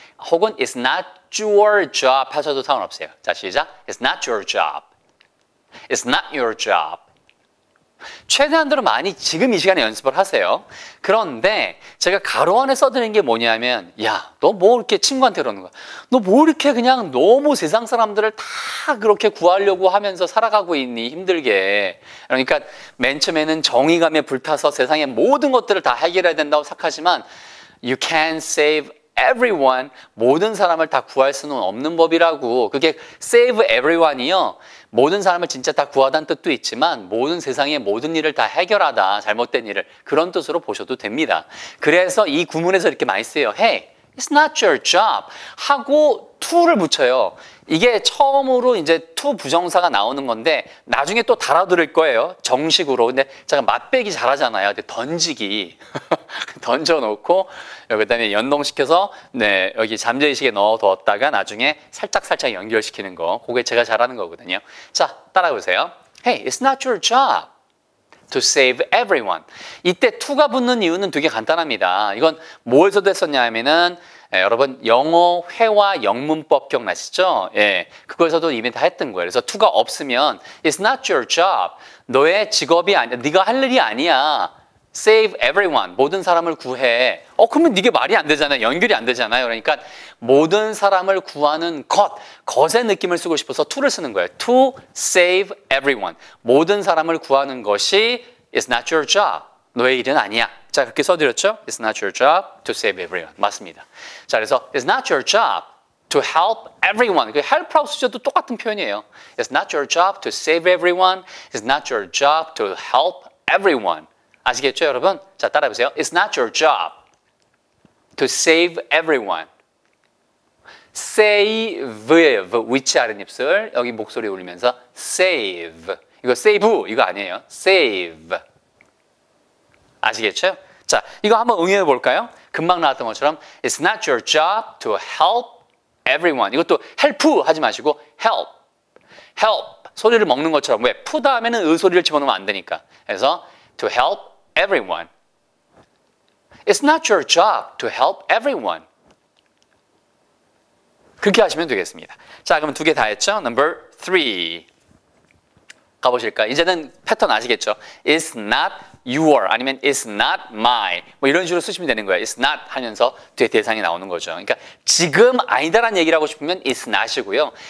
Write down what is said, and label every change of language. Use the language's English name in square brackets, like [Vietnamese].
[Korean] 혹은 [English] it's not your job [Korean] 하셔도 상관없어요. 자, 시작. [English] It's not your job. It's not your job. [Korean] 최대한대로 많이 지금 이 시간에 연습을 하세요. 그런데 제가 가로 안에 써드린 게 뭐냐면 야, 너 뭐 이렇게 친구한테 그러는 거야? 너 뭐 이렇게 그냥 너무 세상 사람들을 다 그렇게 구하려고 하면서 살아가고 있니? 힘들게. 그러니까 맨 처음에는 정의감에 불타서 세상의 모든 것들을 다 해결해야 된다고 생각하지만 [English] You can't save everyone, [Korean] 모든 사람을 다 구할 수는 없는 법이라고. 그게 [English] save everyone [Korean] 이요. 모든 사람을 진짜 다 구하다는 뜻도 있지만 모든 세상의 모든 일을 다 해결하다, 잘못된 일을. 그런 뜻으로 보셔도 됩니다. 그래서 이 구문에서 이렇게 많이 쓰여요. [English] Hey, it's not your job. [Korean] 하고 to를 붙여요. 이게 처음으로 이제 to 부정사가 나오는 건데 나중에 또 달아들을 거예요. 정식으로. 근데 제가 맞배기 잘하잖아요. 던지기. 던져놓고 그다음에 연동시켜서 네 여기 잠재의식에 넣어두었다가 나중에 살짝살짝 연결시키는 거. 그게 제가 잘하는 거거든요. 자, 따라해보세요. [English] Hey, it's not your job to save everyone. [Korean] 이때 to가 붙는 이유는 되게 간단합니다. 이건 뭐에서도 했었냐면은 예, 여러분 영어 회화 영문법 기억나시죠? 예, 그거에서도 이미 다 했던 거예요. 그래서 to가 없으면 [English] it's not your job. [Korean] 너의 직업이 아니야. 네가 할 일이 아니야. [English] Save everyone. [Korean] 모든 사람을 구해. 그러면 이게 말이 안 되잖아요. 연결이 안 되잖아요. 그러니까 모든 사람을 구하는 것, 것의 느낌을 쓰고 싶어서 to를 쓰는 거예요. [English] To save everyone. [Korean] 모든 사람을 구하는 것이 [English] it's not your job. [Korean] 너의 일은 아니야. 자, 그렇게 써드렸죠? [English] It's not your job to save everyone. [Korean] 맞습니다. 자, 그래서 [English] it's not your job to help everyone. [Korean] 그 help라고 쓰셔도 똑같은 표현이에요. [English] It's not your job to save everyone. It's not your job to help everyone. [Korean] 아시겠죠, 여러분? 자, 따라해보세요. [English] It's not your job to save everyone. [Korean] Save. 위치 아랫입술. 여기 목소리 올리면서 save. 이거 save 이거 아니에요. Save. 아시겠죠? 자, 이거 한번 응용해 볼까요? 금방 나왔던 것처럼 [English] It's not your job to help everyone. [Korean] 이것도 help 하지 마시고 help. Help. 소리를 먹는 것처럼. 왜? 푸 다음에는 의 소리를 집어넣으면 안 되니까. 그래서 [English] to help everyone. It's not your job to help everyone. [Korean] 그렇게 하시면 되겠습니다. 자, 그럼 두 개 다 했죠? [English] Number three. [Korean] 가보실까요? 이제는 패턴 아시겠죠? [English] It's not your [Korean] 아니면 [English] it's not my [Korean] 뭐 이런 식으로 쓰시면 되는 거예요. [English] it's not [Korean] 하면서 뒤에 대상이 나오는 거죠. 그러니까 지금 아니다라는 얘기를 하고 싶으면 it's not이고요.